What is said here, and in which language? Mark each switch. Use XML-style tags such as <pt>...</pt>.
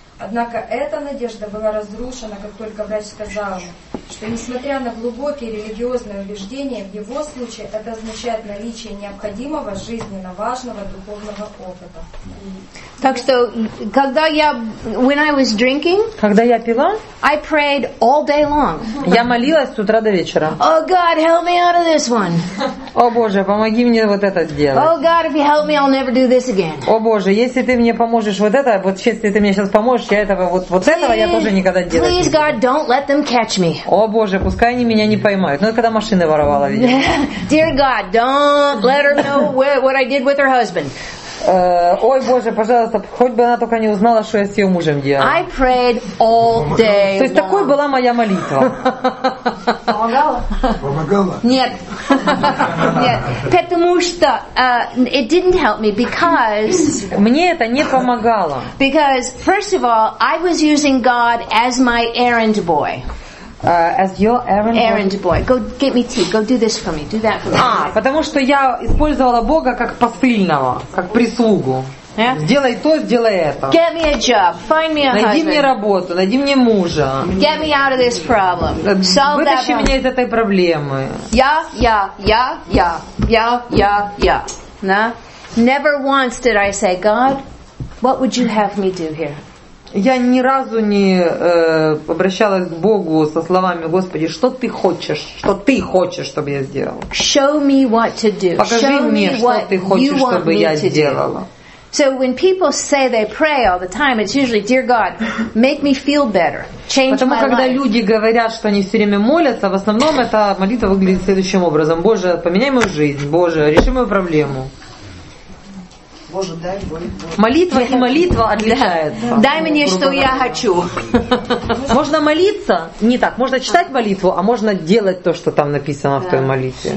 <ru>Однако эта надежда была разрушена, как только врач сказал, что несмотря на глубокие религиозные убеждения, в его случае это означает наличие необходимого жизненно важного духовного опыта. Так что, когда я,</ru> <en>when I was drinking,</en> <ru>когда я пила,</ru> <en>I prayed all day long.</en> <ru>Я молилась с утра до вечера.</ru> <en>Oh God, help me out of this one.</en> <ru>О Боже, помоги мне вот это сделать.</ru> <en>Oh God, if you help me, I'll never do this again.</en> <ru>О Боже, если ты мне поможешь вот это, вот если ты мне сейчас поможешь, я этого вот, вот</ru> <en>please,</en> <ru>этого я тоже никогда делать</ru> <en>please,</en> <ru>не буду.</ru> <en>God, don't let them catch me.</en> <ru>О Боже, пускай они меня не поймают. Ну это когда машины воровала, видимо.</ru> <en>Dear God, don't let her know what I did with her husband.</en> <ru>Ой, Боже, пожалуйста, хоть бы она только не узнала, что я с ее мужем делала.</ru> <en>I prayed all day.</en> <ru>То есть такой была моя молитва. Помогала? Нет. Нет. Потому что</ru> <en>it didn't help me because</en> <ru>мне это не помогало.</ru> <en>Because first of all, I was using God as my errand boy. As your errand boy. Errand boy. Go get me tea. Go do this for me. Do that for me.</en> <ru>А, потому что я использовала Бога как посыльного, как прислугу.</ru> <en>Yeah?</en> <ru>Сделай то, сделай это.</ru> <en>Get me a job. Find me a</en> <ru>найди</ru> <en>husband.</en> <ru>Мне работу, найди мне мужа.</ru> <en>Get me out of this problem. Solve</en> <ru>вытащи</ru> <en>that problem.</en> <ru>Меня из этой проблемы.</ru> <en>Я. No? Never once did I say, God, what would you have me do here?</en> <ru>Я ни разу не обращалась к Богу со словами, Господи, что ты хочешь, чтобы я сделала?</ru> <en>Show me what to do.</en> <ru>Покажи</ru> <en>Show</en> <ru>мне, что ты хочешь, чтобы я сделала.</ru> <en>So when people say they pray all the time, it's usually, dear God, make me feel better, change</en> <ru>Потому</ru> <en>my life.</en> <ru>Потому когда люди говорят, что они все время молятся, в основном эта молитва выглядит следующим образом: Боже, поменяй мою жизнь, Боже, реши мою проблему. Боже, дай, молитва и молитва отличаются. Дай мне, что я хочу. Можно молиться, не так, можно читать молитву, а можно делать то, что там написано в той молитве.</ru>